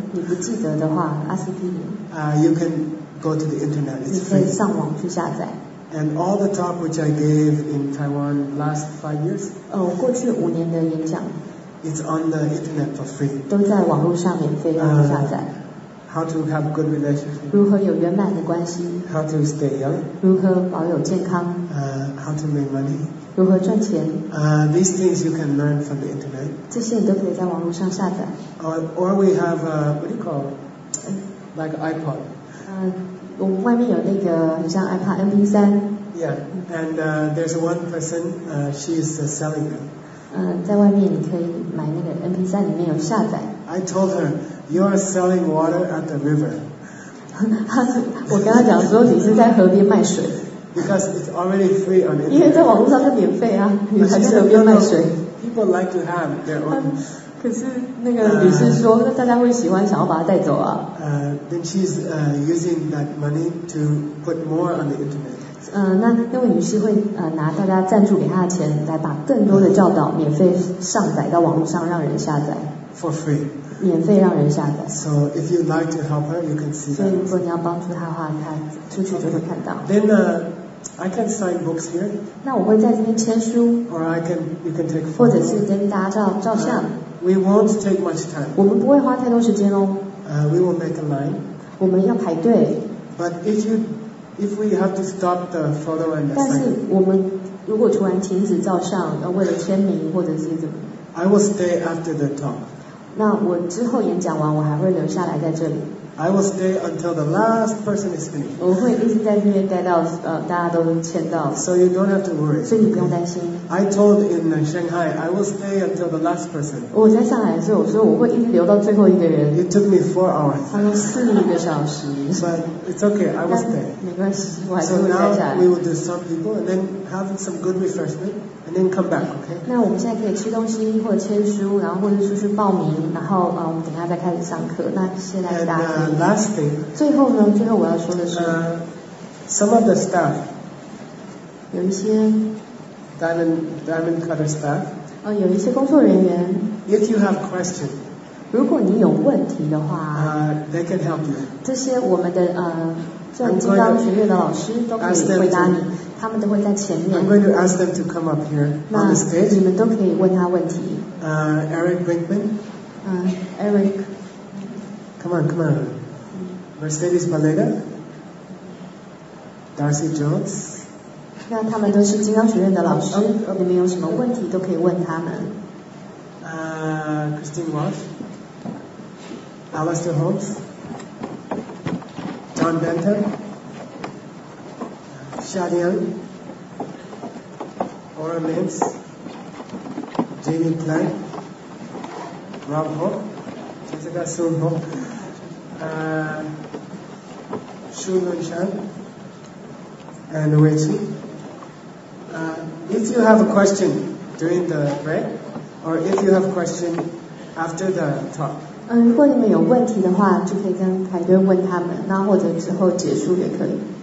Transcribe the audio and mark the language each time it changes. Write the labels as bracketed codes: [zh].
[zh] 你不记得的话，阿司匹林。 [en] You can go to the internet. It's free. [zh] 你可以上网去下载。 [en] And all the talk which I gave in Taiwan last 5 years. [zh] 我过去五年的演讲。 [en] It's on the internet for free. [zh] 都在网络上免费让你下载。 [en] How to have good relationship? [zh] 如何有圆满的关系 [en] ？How to stay young? [zh] 如何保有健康 [en] ？How to make money? [zh] 如何赚钱 [en] ？These things you can learn from the internet. [zh] 这些你都可以在网络上下载。 [en] Or we have a, what do you call? Like iPod. [zh] 我们外面有那个很像 iPod MP3。 [en] Yeah, and there's one person, she is selling them. [zh] 在外面你可以买那个 MP3 里面有下载。 [en] I told her, you are selling water at the river. [zh] 我跟她讲说你是在河边卖水。 [en] Because it's already free on the internet. [zh] 因为在网络上就免费啊，你还在河边卖水。 [en] People like to have their own. [zh] 可是那个女士说，那大家会喜欢想要把它带走啊。 [en] Then she's using that money to put more on the internet. [zh] 那那位女士会拿大家赞助给她的钱来把更多的教导免费上载到网络上，让人下载。 [en] For free. [zh] 免费让人下载。 [en] So if you'd like to help her, you can see that. [zh] 所以如果你要帮助她的话，她出去就会看到。 [en] Then I can sign books here. [zh] 那我会在这边签书。 [en] Or I can, you can take. [zh] 或者是跟大家照相。 [en] We won't take much time. [zh] 我们不会花太多时间哦。 [en] We will make a line. [zh] 我们要排队。 [en] But if we have to stop the photo and the sign. [zh] 但是我们如果突然停止照相，为了签名或者是怎么 [en] ？I will stay after the talk. [zh] 那我之后演讲完，我还会留下来在这里。 [en] I will stay until the last person is finished. [zh] 我会一直在这边待到大家都签到。 [en] So you don't have to worry. [zh] 所以你不用担心。 [en] I told in Shanghai I will stay until the last person. [zh] 我在上海的时候，我说我会一直留到最后一个人。 [en] It took me 4 hours. [zh] 他说4个小时。 [en] But it's okay. I will stay. [zh] 没关系，我还是会待下来。 [en] So now we will do some people and then have some good refreshment and then come back. Okay. [zh] 那我们现在可以吃东西或者签书，然后或者出去报名，然后我们等一下再开始上课。那现在大家。 [en] Last thing. [zh] 最后呢，最后我要说的是。 [en] Some of the staff. [zh] 有一些。 [en] Diamond cutter staff. [zh] 有一些工作人员。 [en] If you have question. [zh] 如果你有问题的话。 [en] They can help you. [zh] 这些我们的像金刚学院的老师都可以回答你，他们都会在前面。 [en] I'm going to ask them to come up here on the stage. [zh] 你们都可以问他问题。 [en] Eric Brinkman. Eric. Come on. Mercedes Baleda. Darcy Jones. [zh] 那他们都是金刚学院的老师，你们有什么问题都可以问他们。 [en] Christine Walsh. Alistair Holmes. John Benton. Xia Liang. Aura Mintz. Jamie Plank. Rob Ho. Jessica Sun Ho. Shu Lun Chan and Wei Qi. If you have a question during the break, or if you have a question after the talk. [zh] 如果你们有问题的话，就可以跟排队问他们，那或者之后结束也可以。